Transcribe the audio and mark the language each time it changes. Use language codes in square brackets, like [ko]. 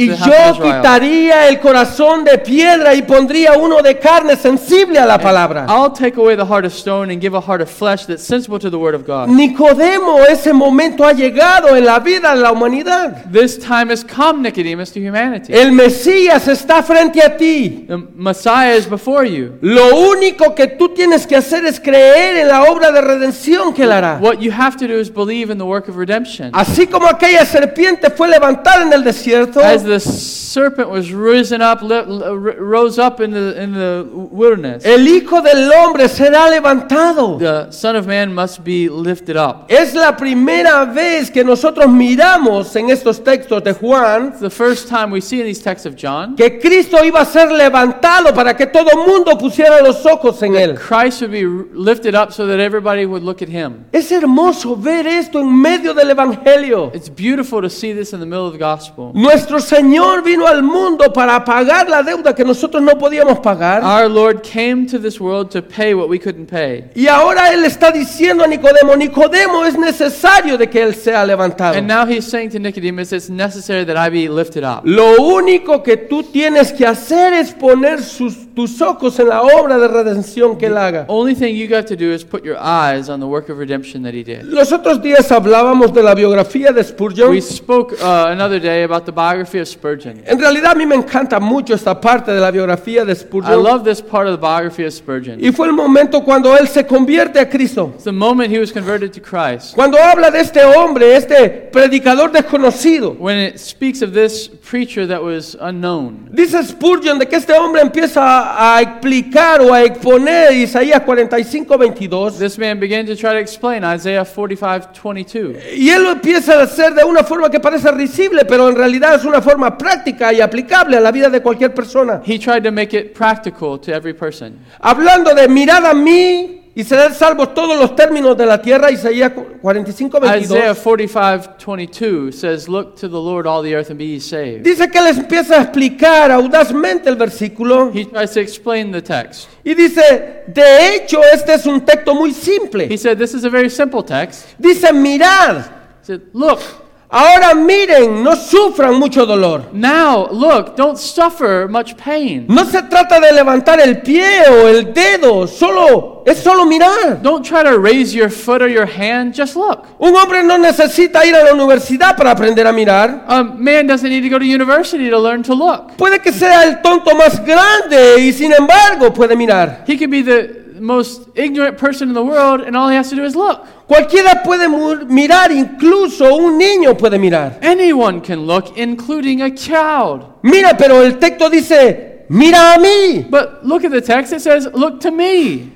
[en] the house of Israel. [es] Y yo quitaría el corazón de piedra y pondría uno de carne sensible a la palabra. [en] And I'll take away the heart of stone and give a heart of flesh that's sensible to the word of God. [es] Nicodemo, ese momento ha llegado en la vida de la humanidad. [en] This time has come, Nicodemus, to humanity. [es] El Mesías está frente a ti. [en] The Messiah is before you. [es] Lo único que tú tienes que hacer es creer en la obra de redención que él hará. [en] What you have to do is believe in the work of redemption. [es] Así como aquella serpiente fue levantada en el desierto, [en] as the serpent was risen up, rose up in the wilderness, [es] el hijo del hombre será levantado. [en] The son of man must be lifted up. [es] Es la primera vez que nosotros miramos en estos textos de Juan, [en] it's the first time we see in these texts of John, [es] que Cristo iba a ser levantado para que todo mundo pusiera los ojos en él. [en] Christ would be lifted up so that everybody would look at him. [es] Es hermoso ver esto en medio del evangelio. [en] It's beautiful to see this in the middle of the gospel. [es] Nuestro Señor vino al mundo para pagar la deuda que nosotros no podíamos pagar. [en] Our Lord came to this world to pay what we couldn't pay. [es] Y ahora él está diciendo a Nicodemo, Nicodemo, es necesario de que él sea levantado. [en] And now he's saying to Nicodemus, it's necessary that I be lifted up. [es] Lo único que tú tienes que hacer es poner tus ojos en la obra de redención que él haga. [en] The only thing you got to do is put your eyes on the work of redemption that he did. [es] Los otros días hablábamos de la biografía de Spurgeon. [en] We spoke another day about the biography of Spurgeon. [es] En realidad a mí me encanta mucho esta parte de la biografía de Spurgeon. [en] I love this part of the biography of Spurgeon. [es] Y fue el momento cuando él se convierte a Cristo. [en] It's the moment he was converted to Christ. [es] Cuando habla de este hombre, este predicador desconocido, [en] when it speaks of this preacher that was unknown, [es] dice Spurgeon de que este hombre empieza a explicar o a exponer Isaías 45:22. [en] This man began to try to explain Isaiah 45:22. [es] Y él lo empieza a hacer de una forma que parece risible, pero en realidad es una forma práctica y aplicable a la vida de cualquier persona. [en] He tried to make it practical to every person. [es] Hablando de mirad a mí y serán salvos todos los términos de la tierra, Isaías 45:22. [en] Isaiah 45:22 says, look to the Lord all the earth and be ye saved. [es] Dice que él empieza a explicar audazmente el versículo. [en] He tries to explain the text. [es] Y dice, de hecho, este es un texto muy simple. [en] He said, this is a very simple text. [es] Dice, mirad. [en] He said, look. [es] Ahora miren, no sufran mucho dolor. [en] Now, look, don't suffer much pain. [es] No se trata de levantar el pie o el dedo, solo es solo mirar. [en] Don't try to raise your foot or your hand, just look. [es] Un hombre no necesita ir a la universidad para aprender a mirar. [en] A man doesn't need to go to university to learn to look. [es] Puede que sea el tonto más grande y sin embargo puede mirar. [en] He could be the most ignorant person in the world and all he has to do is look. [es] Cualquiera puede mirar, incluso un niño puede mirar. [en] Anyone can look, including a child. [es] Mira, pero el texto dice, mira a mí. [en] But look at the text, it says, look to me.